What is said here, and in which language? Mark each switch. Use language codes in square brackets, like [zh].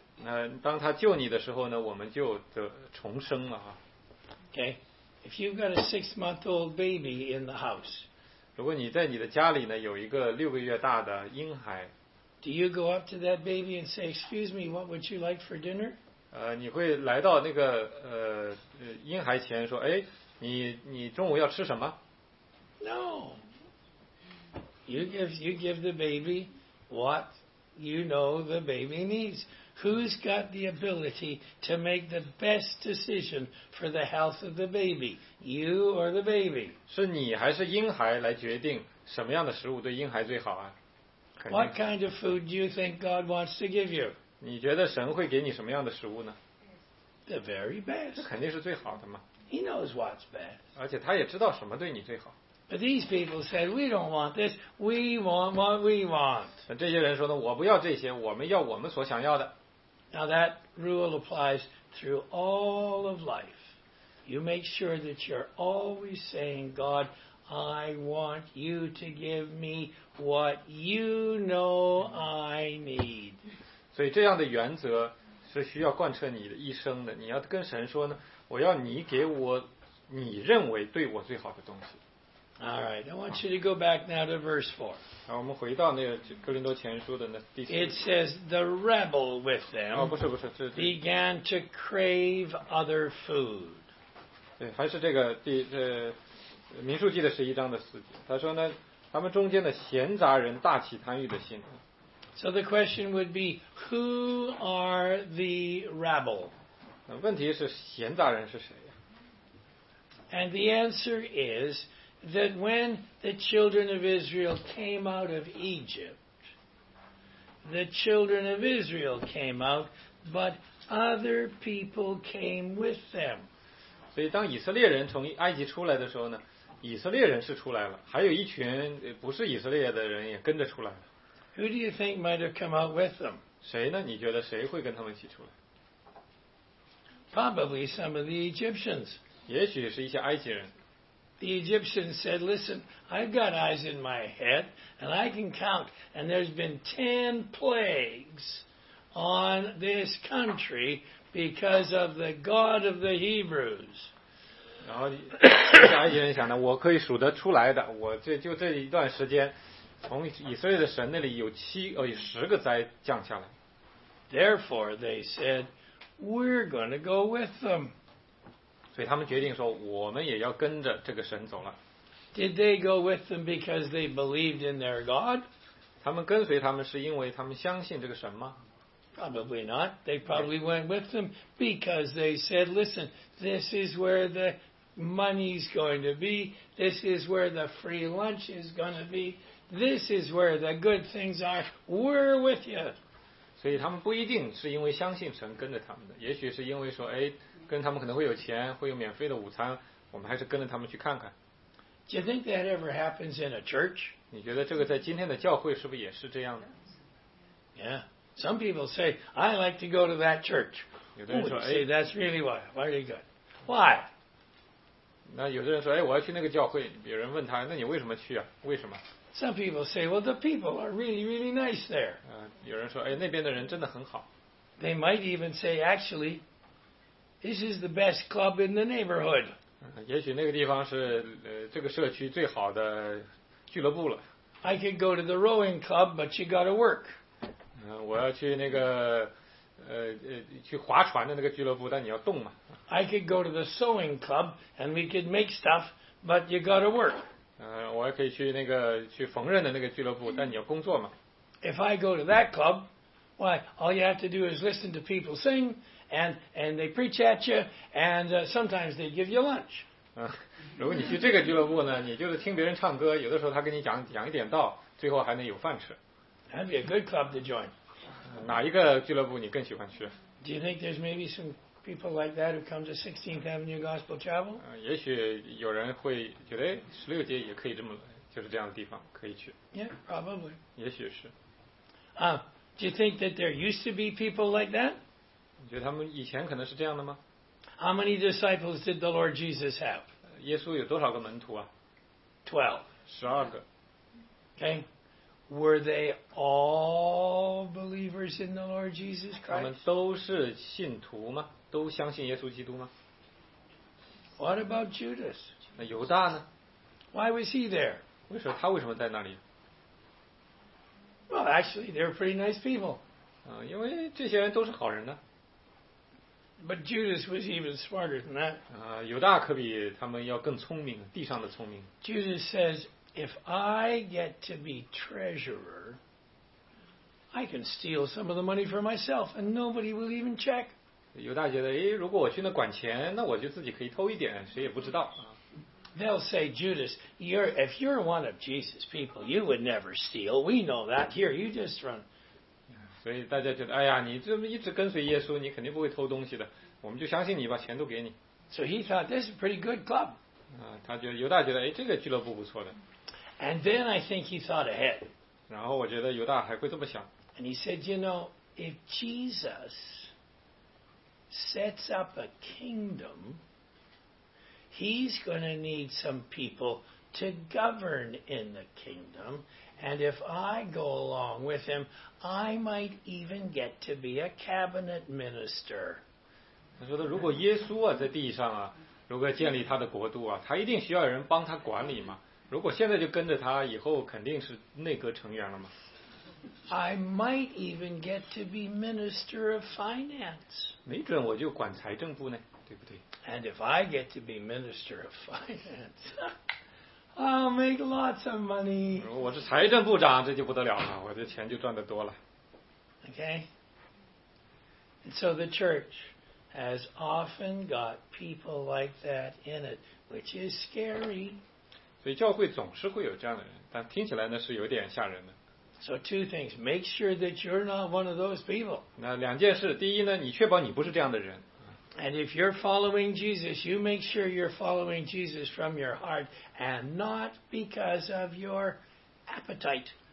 [zh] 那当他救你的时候呢，我们就得重生了啊。 [en] Okay, if you've got a six-month-old baby in the house, [zh] 如果你在你的家里呢有一个六个月大的婴孩 [en] ，Do you go up to that baby and say, "Excuse me, what would you like for dinner?" [zh] 你会来到那个婴孩前说，哎，你中午要吃什么 [en] ？No. You give the baby what you know the baby needs. Who's got the ability to make the best decision for the health of the baby? You or the baby? [zh] 是你还是婴孩来决定什么样的食物对婴孩最好啊？ [en] What kind of food do you think God wants to give you? [zh] 你觉得神会给你什么样的食物呢？ [en] The very best. [zh] 这肯定是最好的嘛。 [en] He knows what's best. [zh] 而且他也知道什么对你最好。 [en] But these people said, we don't want this. We want what we want. [zh] 这些人说呢，我不要这些，我们要我们所想要的。 [en] Now that rule applies through all of life. You make sure that you're always saying, God, I want you to give me what you know I need. [zh] 所以这样的原则是需要贯彻你的一生的。你要跟神说呢，我要你给我你认为对我最好的东西。 [en] All right, I want you to go back now to verse 4. [zh] 然后我们回到那个哥林多前书的那第四。 [en] It says the rebel with them. [zh] 哦，不是不是，这。 [en] Began to crave other food. [zh] 对，还是这个第民数记的十一章的四节，他说呢，他们中间的闲杂人大起贪欲的心。 [en] So the question would be, who are the rabble? [zh] 问题是闲杂人是谁呀？ [en] And the answer is that when the children of Israel came out of Egypt, the children of Israel came out, but other people came with them. [zh] 所以当以色列人从埃及出来的时候呢，以色列人是出来了，还有一群不是以色列的人也跟着出来了。 [en] Who do you think might have come out with them? [zh] 谁呢？你觉得谁会跟他们一起出来？ [en] Probably some of the Egyptians. [zh] 也许是一些埃及人。 [en] The Egyptians said, listen, I've got eyes in my head, and I can count, and there's been 10 plagues on this country because of the God of the Hebrews. [zh] 然后埃及人想呢，我可以数得出来的，我这就这一段时间从以色列的神那里有十个灾降下来。 [en] Therefore, they said, we're going to go with them. [zh] 所以他们决定说，我们也要跟着这个神走了。 [en] Did they go with them because they believed in their God? [zh] 他们跟随他们是因为他们相信这个神吗？ [en] Probably not. They probably went with them because they said, listen, this is where the money's going to be. This is where the free lunch is going to be. This is where the good things are. We're with you. [zh] 所以他们不一定是因为相信神跟着他们的，也许是因为说，哎，跟他们可能会有钱，会有免费的午餐，我们还是跟着他们去看看。 [en] Do you think that ever happens in a church? [zh] 你觉得这个在今天的教会是不是也是这样的？ [en] Yeah. Some people say, I like to go to that church. [zh] 有的人说，哎， [en] say, that's really why. Why are you good? Why? [zh] 那有的人说，哎，我要去那个教会。有人问他，那你为什么去啊？为什么？ [en] Some people say, well, the people are really, really nice there. [zh] 有人说，哎，那边的人真的很好。 [en] They might even say, actually, this is the best club in the neighborhood. [zh] 也许那个地方是这个社区最好的俱乐部了。 [en] I could go to the rowing club, but you got to work. [zh] 我要去那个去划船的那个俱乐部，但你要动嘛。 [en] I could go to the sewing club, and we could make stuff, but you got to work. [zh] 我还可以去那个去缝纫的那个俱乐部，但你要工作嘛。 [en] If I go to that club, why, all you have to do is listen to people sing, and they preach at you, and sometimes they give you lunch. [zh] 如果你去这个俱乐部呢，你就是听别人唱歌，有的时候他跟你讲一点道，最后还能有饭吃。 [en] That'd be a good club to join. [zh] 哪一个俱乐部你更喜欢去？ [en] Do you think there's maybe some people like that who come to 16th Avenue Gospel Chapel? [zh] 也许有人会觉得16街也可以这么就是这样的地方可以去。 [en] Yeah, probably. [zh] 也许是。 [en] Do you think that there used to be people like that? [zh] 你觉得他们以前可能是这样的吗？ [en] How many disciples did the Lord Jesus have? [zh] 耶稣有多少个门徒啊？ [en] 12. [zh] 12个。 [en] Okay. Were they all believers in the Lord Jesus Christ? [zh] 他们都是信徒吗？都相信耶稣基督吗？ [en] What about Judas? [zh] 那犹大呢？ [en] Why was he there? [zh] 他为什么在那里？ [en] Well, actually, they're pretty nice people. [zh] 因为这些人都是好人呢。 [en] But Judas was even smarter than that. [zh] 犹大可比他们要更聪明，地上的聪明。 [en] Judas says, if I get to be treasurer, I can steal some of the money for myself, and nobody will even check. [zh] 犹大觉得，哎，如果我去那管钱，那我就自己可以偷一点，谁也不知道。 [en] They'll say, Judas, if you're one of Jesus' people, you would never steal. We know that. Here, you just run. [zh] 所以大家觉得，哎呀，你这么一直跟随耶稣，你肯定不会偷东西的。我们就相信你吧，钱都给你。 [en] So he thought this is a pretty good club. [zh] 犹大觉得，哎，这个俱乐部不错的。 [en] And then I think he thought ahead. [zh] 然后我觉得犹大还会这么想。 [en] And he said, you know, if Jesus. Sets up a kingdom, he's going to need some people to govern in the kingdom, And if I go along with him, I might even get to be a cabinet minister. [zh] 他说的，如果耶稣啊在地上啊，如果建立他的国度啊，他一定需要人帮他管理嘛。如果现在就跟着他，以后肯定是内阁成员了嘛。 [en] I might even get to be minister of finance. [zh] 没准我就管财政部呢，对不对？ [en] And if I get to be minister of finance, I'll make lots of money. [zh] 如果我是财政部长，这就不得了了，我的钱就赚得多了。 [en] Okay. And so the church has often got people like that in it, which is scary. [zh] 所以教会总是会有这样的人，但听起来呢是有点吓人的。 [en] So two things, make sure that you're not one of those people. [zh] 那两件事，第一呢，你确保你不是这样的人。 [en] And if you're following Jesus, you make sure you're following Jesus from your heart and not because of your appetite.